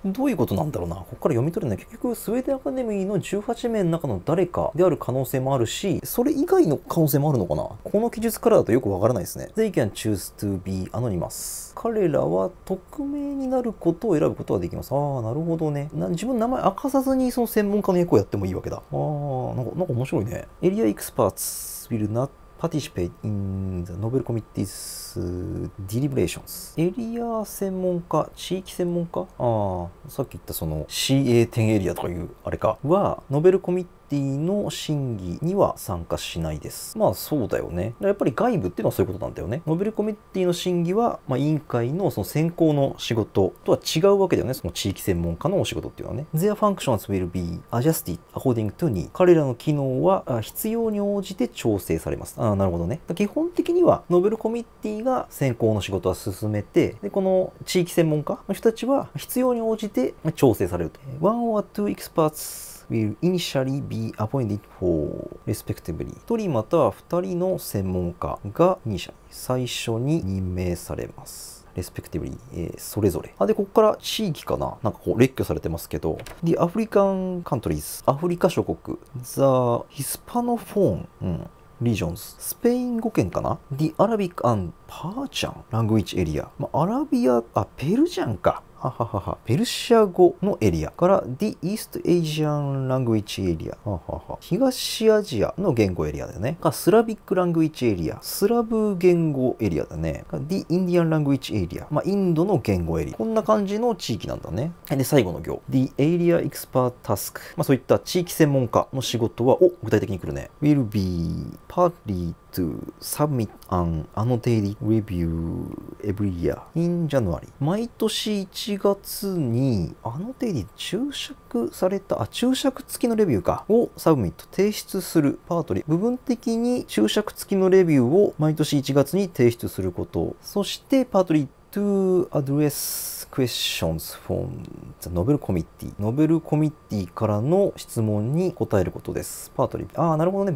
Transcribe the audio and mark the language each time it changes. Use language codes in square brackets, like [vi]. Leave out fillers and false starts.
[ja] どういうことなんだろうな、ここから読み取れない。結局スウェーデンアカデミーの18名の中の誰かである可能性もあるし、それ以外の可能性もあるのかな。この記述からだとよくわからないですね。 [en] They can choose to be anonymous、 [ja] 彼らは匿名になることを選ぶことができます。ああ、なるほどね。自分の名前明かさずにその専門家の役をやってもいいわけだ。ああ、なんか面白いね。 [en] エリアエクスパーツ will not participate in the Nobel Committee's deliberations。 [ja] エリア専門家、地域専門家、ああ、さっき言ったその CA10 エリアとかいうあれかは、ノーベルコミッティの審議には参加しないです。まあそうだよね、やっぱり外部っていうのはそういうことなんだよね。ノーベルコミッティの審議は、まあ、委員会のその選考の仕事とは違うわけだよね。その地域専門家のお仕事っていうのはね。 [en] Their functions will be adjusted according to need、 [ja] 彼らの機能は必要に応じて調整されます。ああ、なるほどね。基本的にはノーベルコミッティが選考の仕事は進めて、でこの地域専門家の人たちは必要に応じて調整されると。 [en] One or two expertsWill initially be appointed for respectively。 [ja] 1人または2人の専門家が最初に任命されます。 respectively、それぞれ。あ、で、ここから地域かな、なんかこう列挙されてますけど。 [en] The African countries、 [ja] アフリカ諸国。 [en] The Hispanophone、regions、 [ja] スペイン語圏かな。 [en] The Arabic and Persian language area、 [ja] まあ、アラビア、あ、ペルジャンか。ペルシア語のエリアから [en] The East Asian Language Area、 [ja] 東アジアの言語エリアだよね。からスラビック・ラングイッチ・エリア、スラブ言語エリアだね。から [en] The Indian Language Area、 [ja] まあ、インドの言語エリア、こんな感じの地域なんだね。で最後の行、 [en] The Area Expert Task、 [ja] まあ、そういった地域専門家の仕事は、お、具体的に来るね。 [en] Will be partlyTo submit an annotated review every year in January。 [ja] 毎年1月にアノテイディ、注釈された、あ、注釈付きのレビューか、をサブミット、提出するパートリー、部分的に注釈付きのレビューを毎年1月に提出すること、そしてパートリー [en] To address questions from the Nobel Committee、 [ja] ノーベルコミッティからの質問に答えることです。パートリー、ああ、なるほどね。